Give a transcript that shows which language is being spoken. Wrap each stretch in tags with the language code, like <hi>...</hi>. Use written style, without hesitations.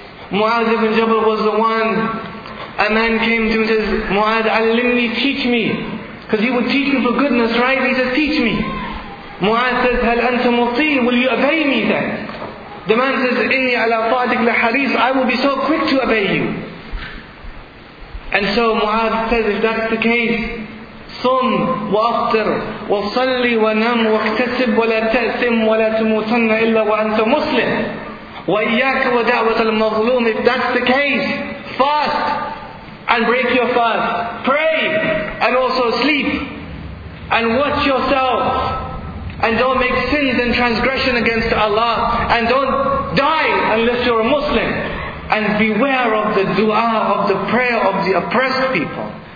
<en>Mu'adh ibn Jabal was the one, a man came to him and says, "Mu'adh, alimni, teach me." Because he would teach him for goodness, right? He says, "Teach me." Mu'adh says,</en> <ar>"Hal anta muti,</ar> <en>will you obey me then?" The man says,</en> <ar>"Inni ala ta'atik laharis,</ar> <en>I will be so quick to obey you." And so Mu'adh says, "If that's the case,</en> <ar>صم وافطر وصلي ونم واكتسب ولا تأثم ولا تموتن إلا وأنت مسلم وإياك ودعوة المظلوم.</ar> <en>If that's the case, fast and break your fast. Pray and also sleep and watch yourself and don't make sins and transgression against Allah and don't die unless you're a Muslim. And beware of the dua, of the prayer of the oppressed people.</en>